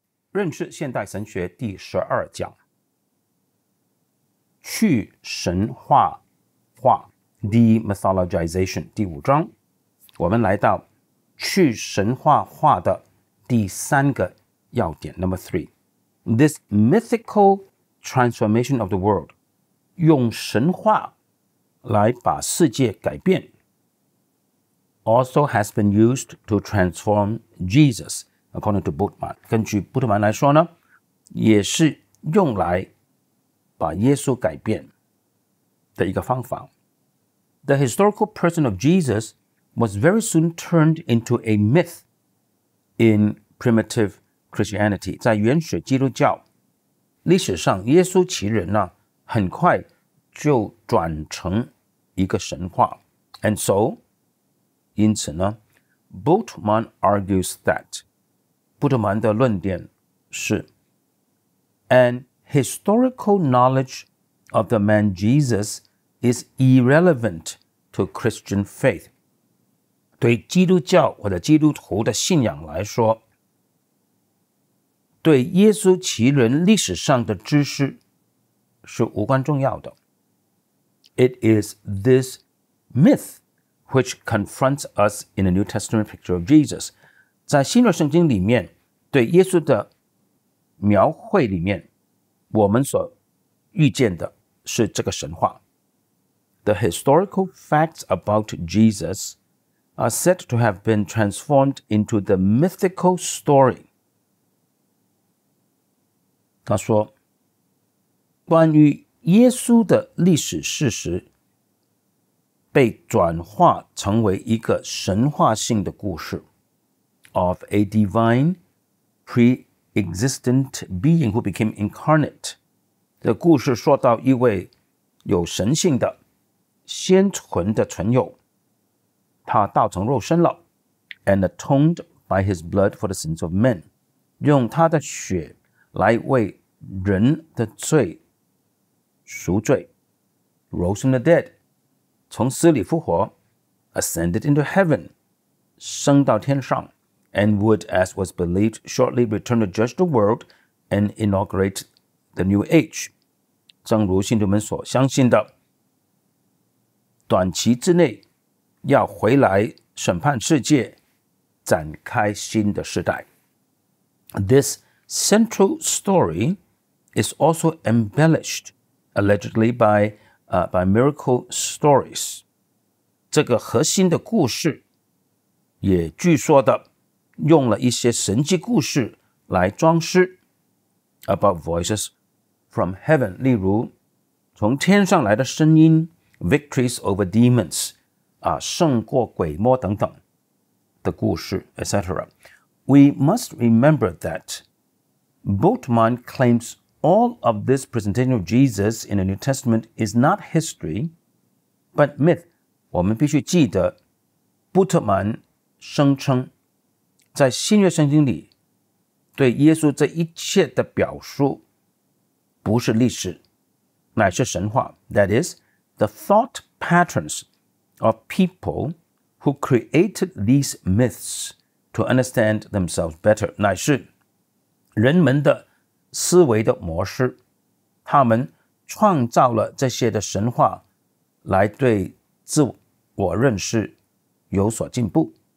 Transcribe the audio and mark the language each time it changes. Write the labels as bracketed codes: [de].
[zh] 认识现代神学第十二讲，去神话化 （demythologization） 第五章，我们来到去神话化的第三个要点 [en] （number three）。 This mythical transformation of the world， [zh] 用神话来把世界改变。 [en] Also has been used to transform Jesus, according to Bultmann. [zh] 根据布特曼来说呢，也是用来把耶稣改变的一个方法。 [en] The historical person of Jesus was very soon turned into a myth in primitive Christianity. [zh] 在原始基督教历史上，耶稣其人呢，很快就转成一个神话。 [en] And so, [zh] 因此呢 [en] Bultmann argues that [zh] 布特曼的论点是 [en] An historical knowledge of the man Jesus is irrelevant to Christian faith [zh] 对基督教或者基督徒的信仰来说对耶稣其人历史上的知识是无关重要的 [en] It is this mythwhich confronts us in a New Testament picture of Jesus. [zh] 在新约圣经里面对耶稣的描绘里面我们所遇见的是这个神话。 [en] The historical facts about Jesus are said to have been transformed into the mythical story. [zh] 他说关于耶稣的历史事实被转化成为一个神话性的故事 [en] of a divine pre-existent being who became incarnate. [zh] 这故事说到一位有神性的先存的存有他道成肉身了 [en] and atoned by his blood for the sins of men. [zh] 用他的血来为人的罪赎罪 [en] rose from the dead. 从死里复活 ascended into heaven, [zh] 升到天上 [en] and would, as was believed, shortly return to judge the world and inaugurate the new age. [zh] 正如信徒们所相信的短期之内要回来审判世界展开新的时代。 [en] This central story is also embellished, allegedly by miracle stories. [zh] 这个核心的故事也据说的用了一些神迹故事来装饰 [en] about voices from heaven. [zh] 例如从天上来的声音 [en] victories over demons, [zh] 胜过鬼魔等等的故事 etc. [en] We must remember that Bultmann claimsAll of this presentation of Jesus in the New Testament is not history, but myth. [zh] 我们必须记得布特曼声称在新约圣经里对耶稣这一切的表述不是历史乃是神话。 [en] That is, the thought patterns of people who created these myths to understand themselves better [zh] 乃是人们的思维的模式他们创造了这些的神话来对自我认识有所进步